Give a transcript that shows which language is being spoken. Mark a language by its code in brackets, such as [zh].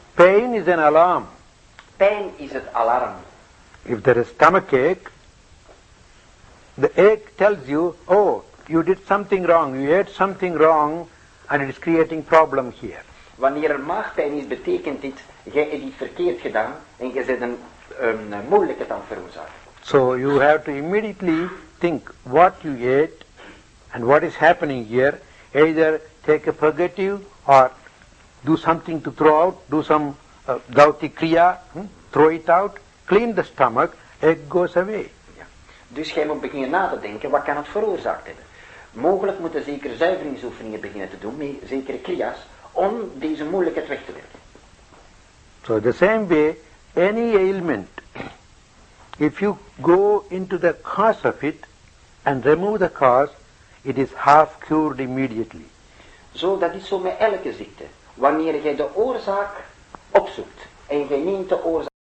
[en] Pain is an alarm. [nl] Pijn is het alarm. [en] If there is stomach ache, the ache tells you, oh, you did something wrong, you ate something wrong, and it is creating problem here. [nl] Wanneer er maagpijn is, betekent dit, jij hebt iets verkeerd gedaan, en je bent een moeilijke dan veroorzaakt. [en] So you have to immediately think what you ate, and what is happening here, either take a purgative, or do something to throw out, do some gauti kriya, throw it out, clean the stomach, egg goes away. [nl] Ja. Dus jij moet beginnen na te denken, wat kan het veroorzaakt hebben? Mogelijk moeten zeker zuiveringsoefeningen beginnen te doen, met zekere kriya's, om deze moeilijkheid weg te werken. [en] So the same way, any ailment, if you go into the cause of it and remove the cause, it is half cured immediately. [nl] Zo, dat is zo met elke ziekte. Wanneer jij de oorzaak opzoekt en je neemt de oorzaak.